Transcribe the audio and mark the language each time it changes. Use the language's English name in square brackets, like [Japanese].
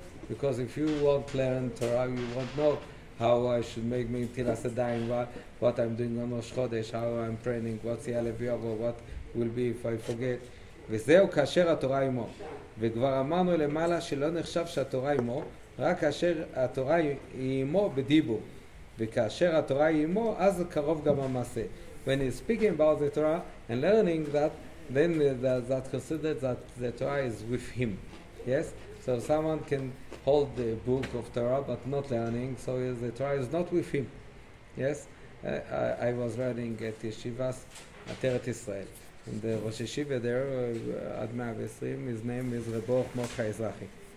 [English] Because if you won't learn Torah, you won't know how I should make me Tilas Adayim, what I'm doing on Rosh Chodesh, how I'm praying, what's the Alevi Avo, what will be if I forget. [Hebrew] וזהו כאשר התורה עמו. וכבר אמרנו למעלה שלא נחשב שהתורה עמו, רק כאשר התורה היא עמו בדיבור. וכאשר התורה היא עמו, אז קרוב גם המעשה. [English] When he's speaking about the Torah and learning that, then that considered that the Torah is with him. Yes? So someone can hold the book of Torah but not learning, so the Torah is not with him. Yes? I was learning at Yeshivas, Ateret Israel. And the Rosh Yeshiva there, Ad 120, his name is Reboch Mocha Ezrachi.